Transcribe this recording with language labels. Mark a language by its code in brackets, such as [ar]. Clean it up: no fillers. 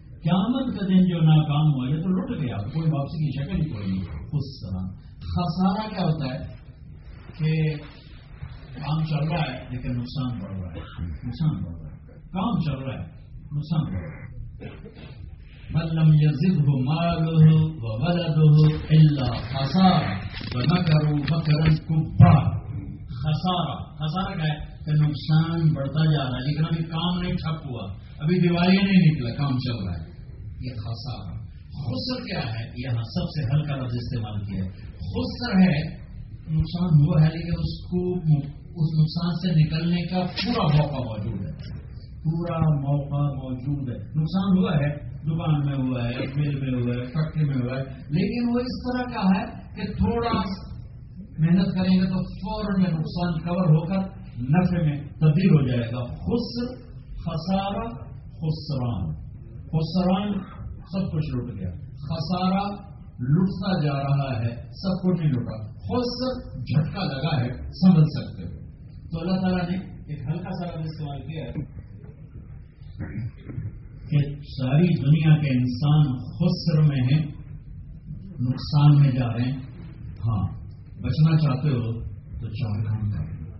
[ur] قیامت کا دن جو ناکام ہوا یہ تو لٹ گیا, کوئی واپسی کی شکل ہی کوئی نہیں. خسران, خسارہ کیا ہوتا ہے کہ کام چل رہا ہے لیکن نقصان بڑھ رہا ہے, نقصان بڑھ رہا ہے, کام چل رہا ہے نقصان بڑھ رہا ہے. [ar] بل لم يزده ماله وولده الا خسارا ومكروا مكرا كبرا. [ur] خسارہ, خسارہ کیا ہے کہ نقصان بڑھتا جا رہا ہے لیکن ابھی کام نہیں ٹھپ ہوا, ابھی دیوالی نہیں نکلا, کام چل رہا ہے, یہ خسارہ. خسر کیا ہے؟ یہاں سب سے ہلکا لفظ استعمال کیا ہے. خسر ہے نقصان ہوا ہے لیکن اس کو اس نقصان سے نکلنے کا پورا موقع موجود ہے, پورا موقع موجود ہے. نقصان ہوا ہے, دکان میں ہوا ہے, میل میں ہوا ہے, فیکٹری میں ہوا ہے, لیکن وہ اس طرح کا ہے کہ تھوڑا محنت کریں گے تو فوراً نقصان کور ہو کر نفع میں تبدیل ہو جائے گا. خسر, خسارہ, خسران. خسران سب کچھ لٹ گیا, خسارہ لٹتا جا رہا ہے, سب کچھ نہیں لٹا, خسر جھٹکا لگا ہے, سمجھ سکتے ہو. تو اللہ تعالیٰ نے ایک ہلکا سا لفظ استعمال کیا ہے کہ ساری دنیا کے انسان خسر میں ہیں, نقصان میں جا رہے ہیں. ہاں بچنا چاہتے ہو تو چار کام کریں.